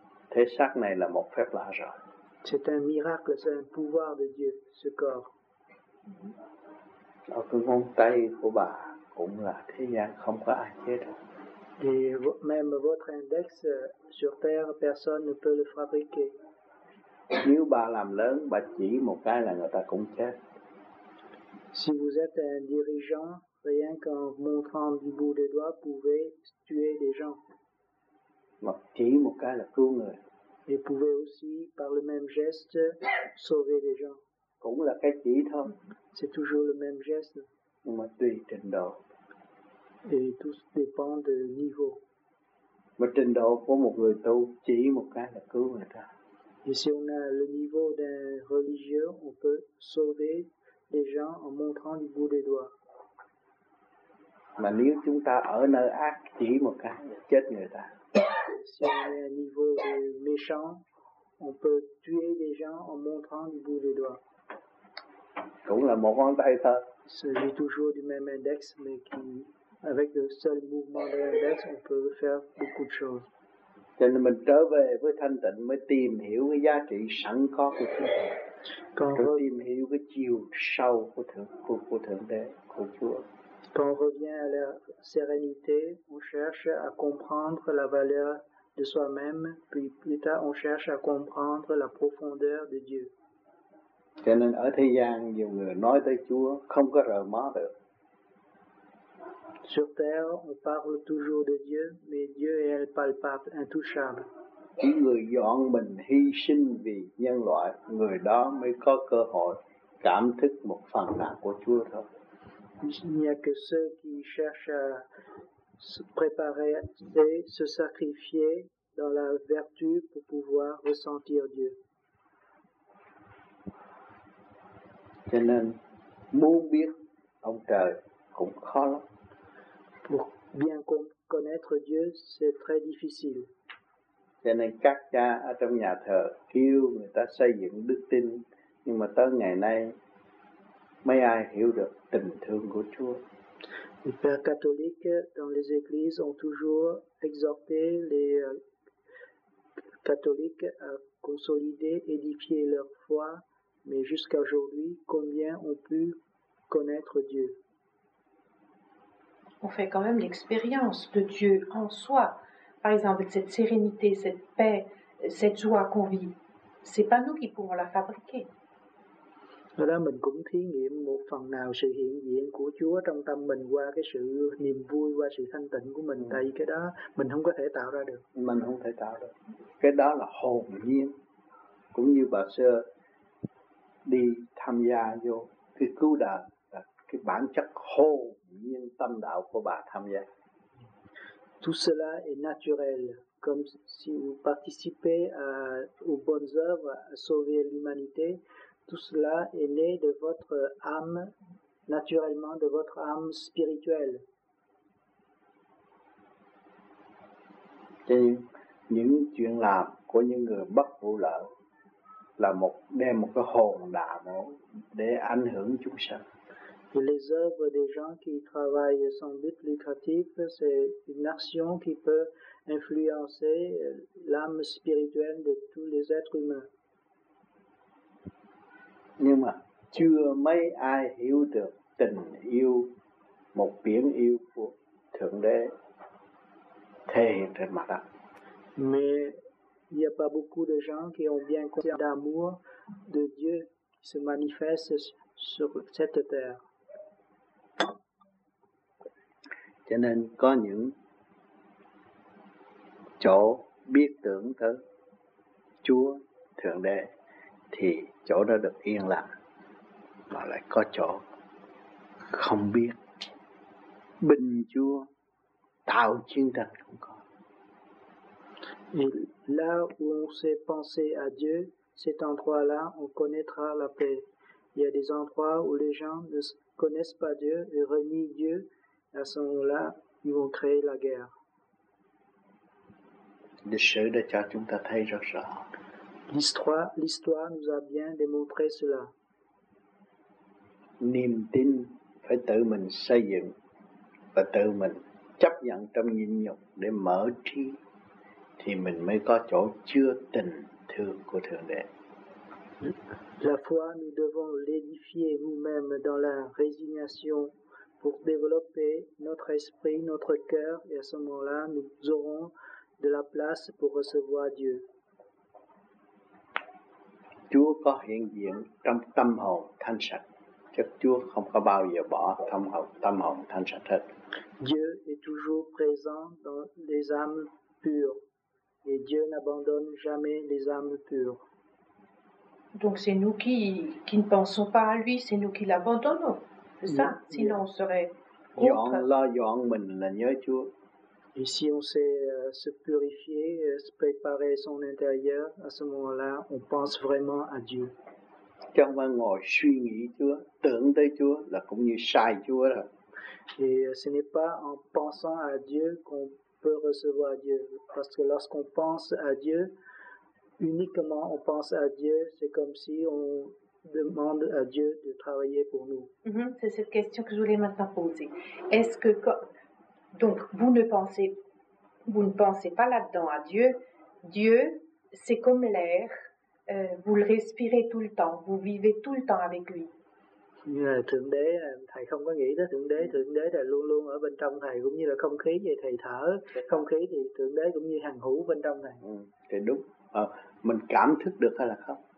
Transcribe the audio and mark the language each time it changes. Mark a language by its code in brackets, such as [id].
[vi] Thế xác này là một phép lạ rồi. [fr] C'est un miracle, c'est un pouvoir de Dieu, ce corps. [vi] Ở cái ngón tay của bà cũng là thế gian không có ai chế được. [fr] Et même votre index sur terre, personne ne peut le fabriquer. [vi] Nếu bà làm lớn, bà chỉ một cái là người ta cũng chết. [fr] Si vous êtes un dirigeant, rien qu'en montrant du bout des doigts pouvait tuer des gens. [vi] Mà chỉ một cái là cứu người. [fr] Et pouvait aussi, par le même geste, sauver des gens. [vi] Cũng là cái chỉ thôi. [fr] C'est toujours le même geste. [vi] Nhưng mà tùy trình độ. [fr] Et tout dépend de niveau. [vi] Mà trình độ của một người tu chỉ một cái là cứu người ta. [fr] Et si on a le niveau d'un religieux, on peut sauver des gens en montrant du bout des doigts. [vi] Mà nếu chúng ta ở nơi ác chỉ một cái chết người ta. [fr] Si on est à niveau de méchant, on peut tuer des gens en montrant du bout des doigts. [vi] Cũng là một ngón tay thôi. [fr] C'est toujours du même index, mais qui, avec le seul mouvement de l'index, on peut faire beaucoup de choses. [vi] Cho nên mình trở về với thanh tịnh mới tìm hiểu cái giá trị sẵn có của chúng ta. Còn tìm hiểu cái chiều sâu của thượng đế của Chúa. [fr] Quand on revient à la sérénité, on cherche à comprendre la valeur de soi-même, puis plus tard on cherche à comprendre la profondeur de Dieu. [vi] Cho nên ở thế gian, nhiều người nói tới Chúa, không có rời mó được. [fr] Sur terre, on parle toujours de Dieu, mais Dieu est palpable, intouchable. [vi] Người dọn mình hy sinh vì nhân loại, người đó mới có cơ hội cảm thức một phần nào của Chúa thôi. [fr] Il n'y a que ceux qui cherchent à se préparer et se sacrifier dans la vertu pour pouvoir ressentir Dieu. [vi] Cho nên, muốn biết ông trời cũng khó lắm. [fr] Pour bien connaître Dieu, c'est très difficile. [vi] Cho nên các cha ở trong nhà thờ kêu người ta xây dựng đức tin, nhưng mà tới ngày nay mấy ai hiểu được tình thương của Chúa. [fr] Les pères catholiques dans les églises ont toujours exhorté les catholiques à consolider, édifier leur foi, mais jusqu'à aujourd'hui, combien ont pu connaître Dieu? On fait quand même l'expérience de Dieu en soi. Par exemple, cette sérénité, cette paix, cette joie qu'on vit, c'est pas nous qui pouvons la fabriquer. [vi] Là mình cũng thí nghiệm một phần nào sự hiện diện của Chúa trong tâm mình qua cái sự niềm vui, qua sự thanh tịnh của mình. Tại cái đó mình không có thể tạo ra được. Mình không thể tạo được. Cái đó là hồn nhiên. Cũng như bà sơ đi tham gia vô cái cứu đời, cái bản chất hồn nhiên tâm đạo của bà tham gia. [fr] Tout cela est naturel, comme si vous participez aux bonnes œuvres à sauver l'humanité. Tout cela est né de votre âme, naturellement de votre âme spirituelle. [vi] Cho nên, những chuyện làm của những người bất vụ lợi là một đem một cái hồn đạo để ảnh hưởng chúng sanh. [fr] Les œuvres des gens qui travaillent sans but lucratif, c'est une action qui peut influencer l'âme spirituelle de tous les êtres humains. [vi] Nhưng mà chưa mấy ai hiểu được tình yêu, một biển yêu của Thượng Đế thể hiện trên mặt đất. [fr] Mais il n'y a pas beaucoup de gens qui ont bien conscience d'amour de Dieu qui se manifeste sur cette terre. [vi] Cho nên có những chỗ biết tưởng tới Chúa Thượng Đế thì chỗ đó được yên lặng, mà lại có chỗ không biết bình chúa tạo chiến tranh cũng có. [fr] Et là où on sait penser à Dieu, cet endroit-là on connaîtra la paix. Il y a des endroits où les gens ne connaissent pas Dieu et renient Dieu, à ce moment-là ils vont créer la guerre. [vi] Lịch sử đã cho chúng ta thấy rất rõ. [fr] L'histoire nous a bien démontré cela. [vi] Niềm tin phải tự mình xây dựng và tự mình chấp nhận trong nhịn nhục để mở trí thì mình mới có chỗ chứa tình thương của Thượng Đế. [fr] La foi, nous devons l'édifier nous-mêmes dans la résignation pour développer notre esprit, notre cœur, et à ce moment-là, nous aurons de la place pour recevoir Dieu. [vi] Chúa có hiện diện trong tâm hồn thanh sạch, chắc Chúa không có bao giờ bỏ tâm hồn thanh sạch hết. [fr] Dieu est toujours présent dans les âmes pures et Dieu n'abandonne jamais les âmes pures. Donc c'est nous qui ne pensons pas à lui, c'est nous qui l'abandonnons, c'est ça? Sinon on serait contre. [vi] Là dọn mình là nhớ Chúa. [fr] Et si on sait se purifier, se préparer son intérieur, à ce moment-là, on pense vraiment à Dieu. Quand on [vi] ngồi suy nghĩ Chúa, tưởng tới Chúa là cũng như sai Chúa rồi. [fr] Et ce n'est pas en pensant à Dieu qu'on peut recevoir Dieu. Parce que lorsqu'on pense à Dieu, uniquement on pense à Dieu, c'est comme si on demande à Dieu de travailler pour nous. Mm-hmm. C'est cette question que je voulais maintenant poser. Est-ce que... Donc, vous ne pensez pas là-dedans à Dieu. Dieu, c'est comme l'air. Vous le respirez tout le temps. Vous vivez tout le temps avec lui. [vi] Thượng Đế, thầy không có nghĩ tới Thượng Đế là luôn luôn ở bên trong thầy, cũng như là không khí vậy, thầy thở. Không khí thì Thượng Đế cũng như hàng hữu bên trong thầy. Thì đúng. Mình cảm thức được hay là không?